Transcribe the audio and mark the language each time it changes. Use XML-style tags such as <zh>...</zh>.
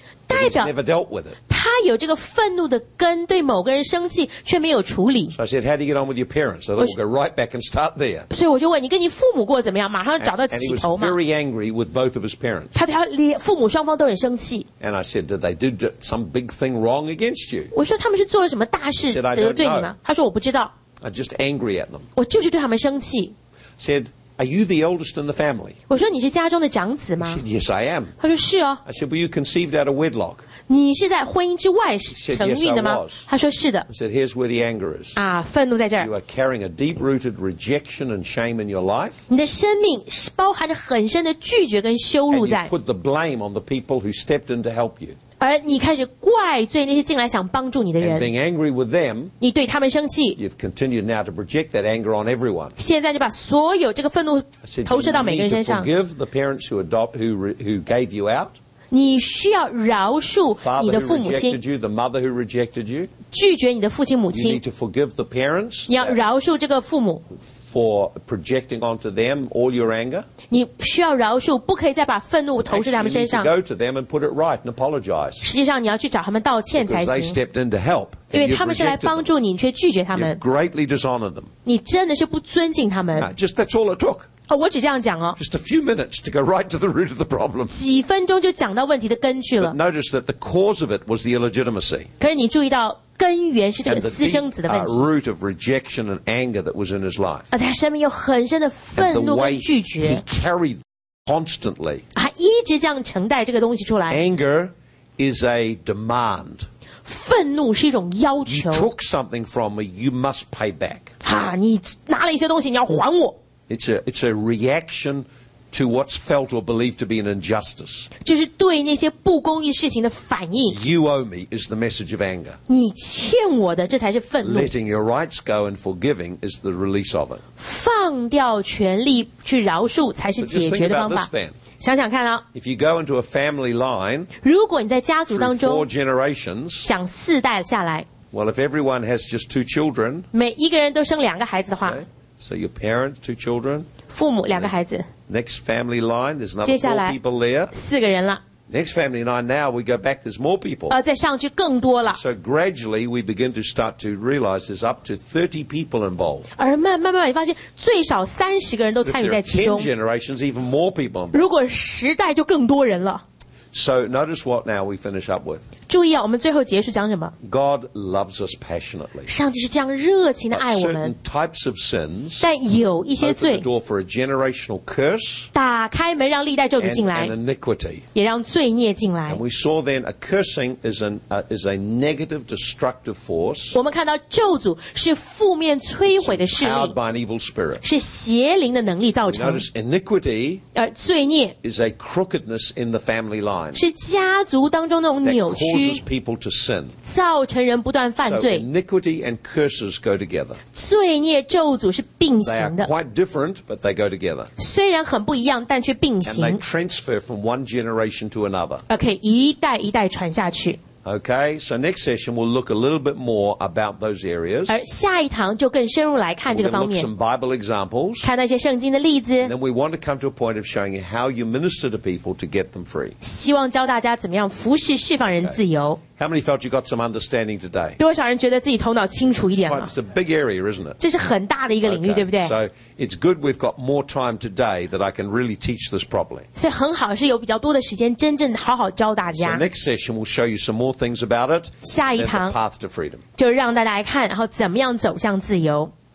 <en>He's never dealt with it.</en> <zh>他他有这个愤怒的根, 对某个人生气,</zh> <en>so I said, how do you get on with your parents? So we'll go right back and start there.</en> <zh>所以我就问, 你跟你父母过怎么样? 马上找到起头吗?</zh> <en>And he was very angry with both of his parents.</en> <zh>他父母双方都很生气。</zh> <en>And I said, did they do some big thing wrong against you?</en> <zh>我说他们是做了什么大事,</zh> <en>he said, I don't know.</en> <zh>他说我不知道。</zh> <en>I'm just angry at them.</en> <zh>我就是对他们生气。</zh> <en>Said, are you the oldest in the family?</en> <zh>我说你是家中的长子吗?</zh> <en>He said, yes, I am.</en> <zh>他说是哦。</zh> <en>I said, were you conceived out of wedlock?</en> <zh>你是在婚姻之外成孕的吗?</zh> <en>He said, yes, I was.</en> <zh>他说是的。</zh> <en>I said, here's where the anger is.</en> <zh>啊, 愤怒在这儿。</zh> <en>You are carrying a deep-rooted rejection and shame in your life.</en> <zh>你的生命包含着很深的拒绝跟羞辱在。</zh> <en>And you put the blame on the people who stepped in to help you.</en> <zh>而你开始怪罪那些进来想帮助你的人</zh> <en>being angry with them,</en> <zh>你对他们生气</zh> <en>You've continued now to project that anger on everyone</en> <zh>现在就把所有这个愤怒投射到每个人身上</zh> <en>You need to forgive the parents who gave you out</en> <zh>你需要饶恕你的父母亲</zh> <en>Father who rejected you, the mother who rejected you</en> <zh>拒绝你的父亲母亲</zh> <en>You need to forgive the parents</en> <zh>你要饶恕这个父母</zh> <en>For projecting onto them all your anger</en> <zh>你需要饶恕, 不可以再把愤怒投射在他们身上</zh> <en>Actually, you need to go to them and put it right and apologize</en> <zh>实际上你要去找他们道歉才行</zh> <en>Because they stepped in to help</en> <zh>因为他们是来帮助你, 你却拒绝他们</zh> <en>You've greatly dishonored them</en> <zh>你真的是不尊敬他们</zh> <en>No, just that's all it took</en> <zh>我只这样讲哦</zh> <en>Just a few minutes to go right to the root of the problem</en> <zh>几分钟就讲到问题的根据了</zh> <en>But notice that the cause of it was the illegitimacy</en> <zh>可是你注意到 根源是这个私生子的问题</zh> <en>And the root of rejection and anger that was in his life</en> <zh>而他生命有很深的愤怒跟拒绝</zh> <en>And the way he carried constantly</en> <zh>他一直这样承带这个东西出来</zh> <en>Anger is a demand</en> <zh>愤怒是一种要求</zh> <en>You took something from me, you must pay back</en> <zh>你拿了一些东西你要还我</zh> <en>It's a reaction to what's felt or believed to be an injustice.</en> <zh>就是对那些不公义事情的反应。</zh> <en>You owe me is the message of anger.</en> <zh>你欠我的这才是愤怒。</zh> <en>Letting your rights go and forgiving is the release of it.</en> <zh>放掉权力去饶恕才是解决的方法。想想看啊,</zh> <en>if you go into a family line,</en> <zh>如果你在家族当中,</zh> <en>through four generations,</en> <zh>讲四代下来,</zh> <en>well, if everyone has just two children,</en> <zh>每一个人都生两个孩子的话,</zh> <en>okay, So your parents, two children.</en> <zh>父母, 两个孩子。</zh> <en>Next family line, there's another</en> <zh>接下来,</zh> <en>four people there.</en> <zh>四个人了。</zh> <en>Next family line, now we go back, there's more people.</en> <zh>再上去更多了。</zh> <en>So gradually, we begin to start to realize there's up to 30 people involved.</en> <zh>而慢慢慢慢发现最少30个人都参与在其中。</zh> <en>If there are 10 generations, even more people involved.</en> <zh>如果十代就更多人了。</zh> <en>So notice what now we finish up with.</en> <zh>注意啊, 我们最后结束讲什么?</zh> <en>God loves us passionately.</en> <zh>上帝是这样热情地爱我们。</zh> <en>But certain types of sins</en> <zh>但有一些罪,</zh> <en>open the door for a generational curse</en> <zh>打开门让历代咒诅进来,</zh> <en>and iniquity.</en> <zh>也让罪孽进来。</zh> <en>And we saw then a cursing is a negative destructive force</en> <zh>我们看到咒诅是负面摧毁的势力,</zh> <en>It's empowered by an evil spirit.</en> <zh>是邪灵的能力造成。</zh> <en>Notice iniquity</en> <zh>罪孽,</zh> <en>is a crookedness in the family line.</en> <zh>是家族当中那种扭曲。</zh> <en>Causes people to sin.</en> <zh>造成人不断犯罪。</zh> <en>So iniquity and curses go together.</en> <zh>罪孽咒诅是并行的。</zh> <en>They are quite different, but they go together.</en> <zh>虽然很不一样,但却并行。</zh> <en>And they transfer from one generation to another.</en> <zh>Okay, 一代一代传下去。</zh> <en>Okay, so next session we'll look a little bit more about those areas.</en> <zh>而下一堂就更深入来看这个方面。</zh> <en>We'll look some Bible examples.</en> <zh>看那些圣经的例子。</zh> <en>And then we want to come to a point of showing you how you minister to people to get them free.</en> <zh>希望教大家怎么样服侍释放人自由。</zh> <en>Okay. How many felt you got some understanding today?</en> <zh>多少人觉得自己头脑清楚一点了？</zh> <en>It's a big area, isn't it?</en> <zh>这是很大的一个领域,</zh> <en>okay.</en> <zh>对不对?</zh> <en>So it's good we've got more time today that I can really teach this properly.</en> <zh>所以很好是有比较多的时间真正好好教大家。</zh> <en>So next session we'll show you some more things about it.</en> <zh>下一堂,</zh> <en>and the path to freedom.</en> <zh>就让大家来看, 然后怎么样走向自由。</zh>